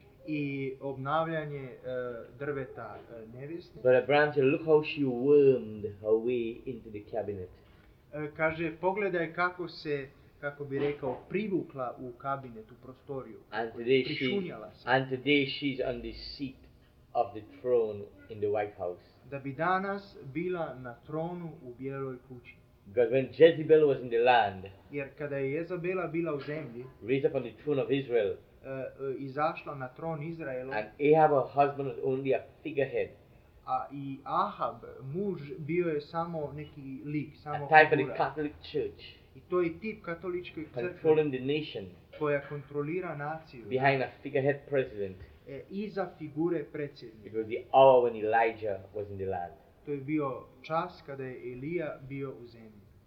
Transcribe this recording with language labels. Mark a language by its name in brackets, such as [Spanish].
[Serbian] I obnavljanje drveta nevjesne. [English] But Abraham said, look how she wormed her way into the cabinet. [Serbian] Kaže, pogledaj kako se, kako bi rekao, privukla u kabinet, u prostoriju, prišunjala se. [English] And today she's on the seat of the throne in the White House. [Serbian] Da bi danas bila na tronu u Bijeloj kući. [English] But when Jezebel was in the land, [Serbian] jer kada je Jezabela bila u zemlji, [English] raised up on the throne of Israel, [Serbian] izašla na tron Izraela, [English] and Ahab, her husband, was only a figurehead. [Serbian] A i Ahab, muž, bio je samo neki lik, samo figura. I to je tip katoličke crkve. [English] Controlling the nation. [Serbian] Koja kontrolira naciju. [English] Behind a figurehead president. [Serbian] Iza figure predsjednika. [English] It was the hour when Elijah was in the land. [Serbian] To je bio čas kada je Elija bio u zemlji.